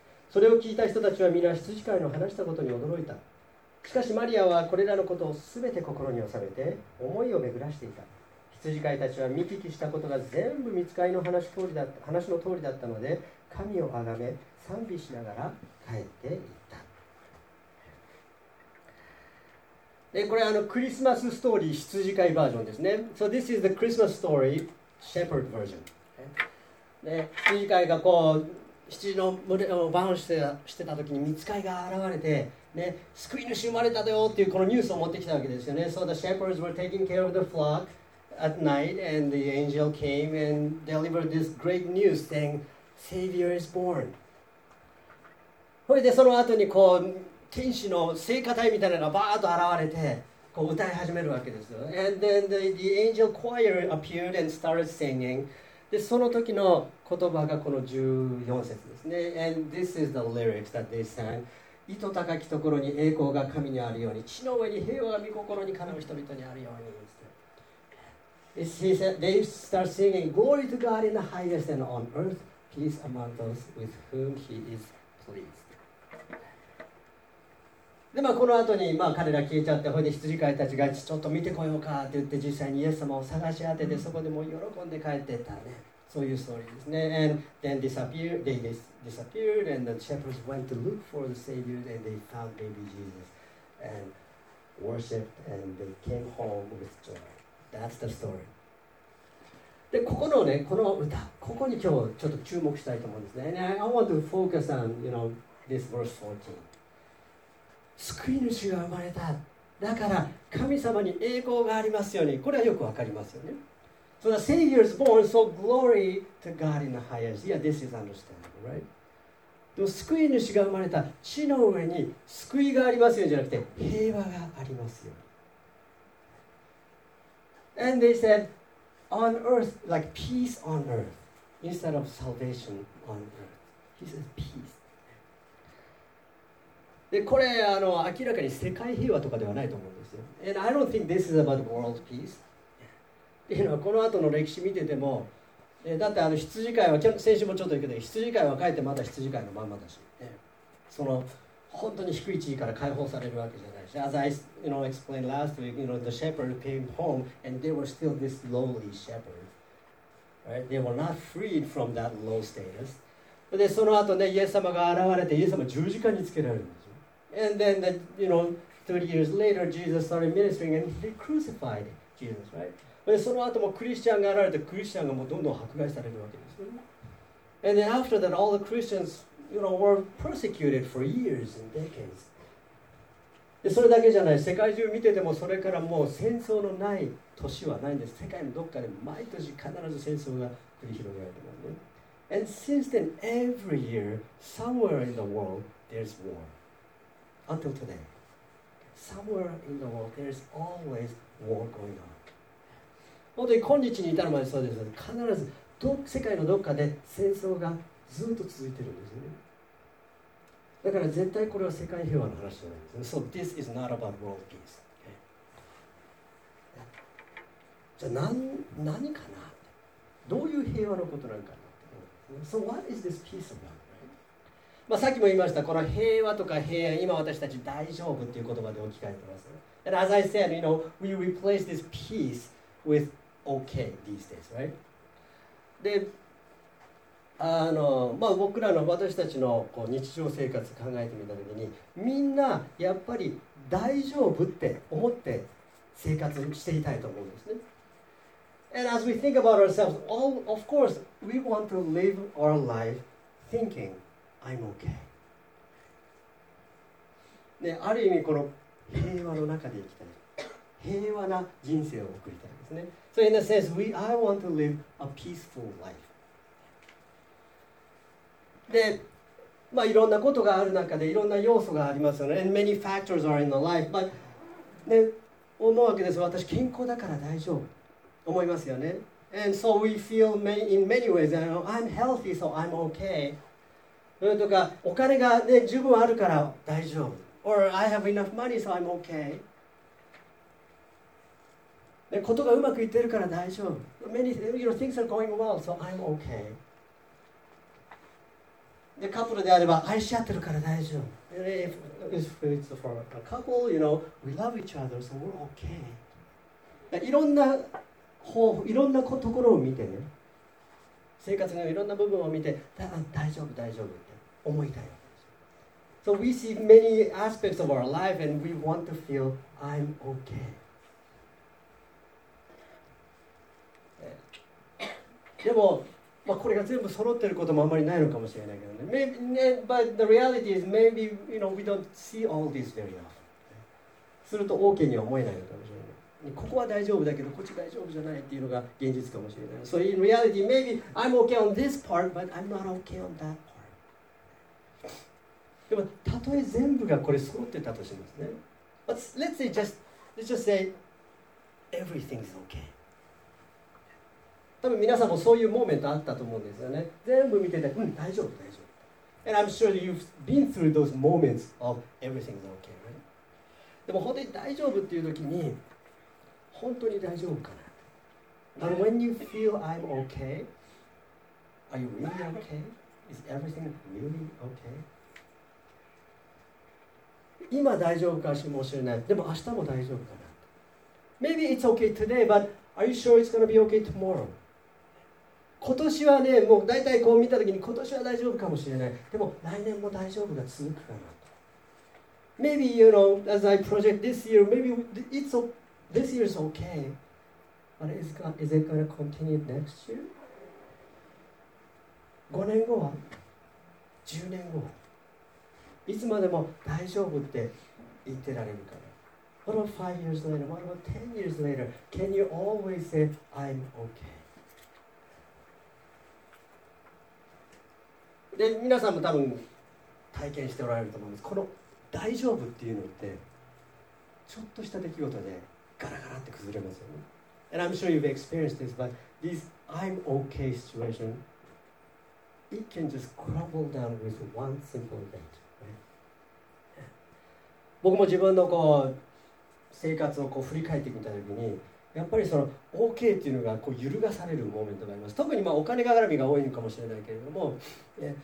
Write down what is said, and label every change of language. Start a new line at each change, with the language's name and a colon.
Japanese: それを聞いた人たちは皆、羊飼いの話したことに驚いた。しかしマリアはこれらのことをすべて心に収めて、思いを巡らしていた。羊飼いたちは見聞きしたことが全部御使いの話の通りだったので、神をあがめ、賛美しながら帰っていった。で、これはクリスマスストーリー、羊飼いバージョンですね。
English: So this is the Christmas story, shepherd version.
Japanese: で、羊飼いがこう、羊の群れをバウンしてた時に御使いが現れて、ね、救い主生まれただよっていうこのニュースを持ってきたわけですよね。
English: So the shepherds were taking care of the flock. At night, and the angel came and delivered this great news, saying, "Savior is born."
Japanese: それでその後にこう天使の聖歌隊みたいなのがバーッと現れてこう歌い始めるわけですよ。
English: And then the angel choir appeared and started singing.
Japanese: でその時の言葉がこの14節ですね。
English: And this is the lyrics that they sang.
Japanese: 糸高きところに栄光が神にあるように、地の上に平和が御心にかなう人々にあるように。
English: They start singing, Glory to God in the highest and on earth, peace among those with whom He is pleased.
Japanese: で、まあ、この後に、まあ、彼ら消えちゃって、ほいで羊飼いたちがちょっと見てこようかって言って、実際にイエス様を探し当てて、そこでもう喜んで帰っていったね。そういうストーリーですね。
English: And then they disappeared, and the shepherds went to look for the Savior, and they found baby Jesus, and worshipped, and they came home with joy. That's the story.
Japanese: で、ここのね、この歌、ここに今日ちょっと注目したいと思うんですね。
English: And I want to focus on, you know, this verse 14.
Japanese: 救い主が生まれた。だから神様に栄光がありますように。これはよくわかりますよね。
English: So the Savior is born, so glory to God in the highest. Yeah, this is understandable, right?
Japanese: でも救い主が生まれた。地の上に救いがありますようにじゃなくて、平和がありますように。
English: And they said, on earth, like peace on earth, instead of salvation on earth. He said, peace.
Japanese: で、これ、明らかに世界平和とかではないと思うんですよ。
English: And I don't think this is about world peace.
Japanese: っていうのは、この後の歴史見てても、だって羊飼いは、先週もちょっと言うけど、羊飼いは帰ってまだ羊飼いのまんまだし、その本当に低い地位から解放されるわけじゃないし。
English: As I, you know, explained last week, you know, the shepherd came home and they were still this lowly shepherd. Right? They were not freed from that low status. But then,
Japanese: その後ね、イエス様が現れて、イエス様十字架につけられるんですよ。
English: And then, the, you know, 30 years later, Jesus started ministering and they crucified Jesus, right?
Japanese: But その後もクリスチャンが現れて、クリスチャンがもうどんどん迫害されるわけですよ。
English: And then after that, all the Christians... You know, were persecuted for years and decades.
Japanese: でそれだけじゃない。世界中見ててもそれからもう戦争のない年はないんです。世界のどっかで毎年必ず戦争が繰り広げられてますね。
English: And since then, every year, somewhere in the world, there's war. Until today. Somewhere in the world, there's always war going on.
Japanese: 本当に今日に至るまでそうです。必ず世界のどっかで戦争がずっと続いてるんですね。だから絶対これは世界平和の話じゃないんですね。
English: So this is not about world peace.、Okay.
Japanese: じゃあ 何かな、どういう平和のことなのかな。
English: So what is this peace about?、Right?
Japanese: まあさっきも言いました、この平和とか平安、今私たち大丈夫っていう言葉で置き換えてます。
English: And as I said, you know, we replace this peace with okay these days, right?
Japanese: で、まあ、僕らの私たちのこう日常生活考えてみたときに、みんなやっぱり大丈夫って思って生活していたいと思うんですね。
English: And as we think about ourselves, all, of course, we want to live our life thinking, I'm okay.
Japanese: ね、ある意味この平和の中で生きたい。平和な人生を送りたいですね。
English: So in a sense, I want to live a peaceful life.
Japanese: で、まあ、いろんなことがある中でいろんな要素がありますよね。
English: And many factors are in the life.
Japanese: But, ね、思うわけです。私健康だから大丈夫。思いますよね。
English: And so we feel in many ways, you know, I'm healthy, so I'm okay.
Japanese: とか、お金が、ね、十分あるから大丈夫。
English: Or I have enough money, so I'm okay.
Japanese: ね、ことがうまくいってるから大丈夫。
English: Many, you know, things are going well, so I'm okay.
Japanese: で、カップルであれば、愛し合ってるから大丈夫。
English: And if it's for a couple, you know, we love each other, so we're okay.
Japanese: いろんな方法、いろんなところを見てね。生活のいろんな部分を見て、大丈夫、大丈夫って思いたい。
English: So we see many aspects of our life and we want to feel I'm okay.
Japanese: でも、まあ、これが全部揃ってることもあんまりないのかもしれないけどね。
English: Maybe, but the reality is maybe you know, we don't see all this very often.
Japanese: すると OK には思えないのかもしれない。ここは大丈夫だけど、こっち大丈夫じゃないっていうのが現実かもしれない。
English: So in reality, maybe I'm okay on this part, but I'm not okay on that part.
Japanese: でも、たとえ全部がこれ揃ってたとしてますね。
English: But let's say just, let's just say everything's okay.
Japanese: 多分皆さんもそういうモーメントあったと思うんですよね。全部見てて、うん、大丈夫、大丈夫。
English: And I'm sure you've been through those moments of everything's okay, right?
Japanese: でも本当に大丈夫っていう時に、本当に大丈夫かな。
English: And when you feel I'm okay, are you really okay? Is everything really okay?
Japanese: 今大丈夫かもしれない。でも明日も大丈夫かな。
English: Maybe it's okay today, but are you sure it's gonna be okay tomorrow?
Japanese: 今年はね、もう大体こう見たときに今年は大丈夫かもしれない。でも来年も大丈夫が続くかなと。
English: Maybe, you know, as I project this year, maybe it's a, this year's okay. But is it gonna continue next year?
Japanese: 5年後は ?10 年後はいつまでも大丈夫って言ってられるかな。
English: What about 5 years later? What about 10 years later? Can you always say, I'm okay?
Japanese: で皆さんも多分体験しておられると思うんです。この大丈夫っていうのってちょっとした出来事でガラガラって崩れますよね。
English: And I'm sure you've experienced this, but this I'm okay situation, it can just crumble down with one simple event.、Right?
Japanese: 僕も自分のこう生活をこう振り返ってみた時に、やっぱりその OK っていうのがこう揺るがされるモーメントがあります。特にまあお金絡みが多いのかもしれないけれども、yeah.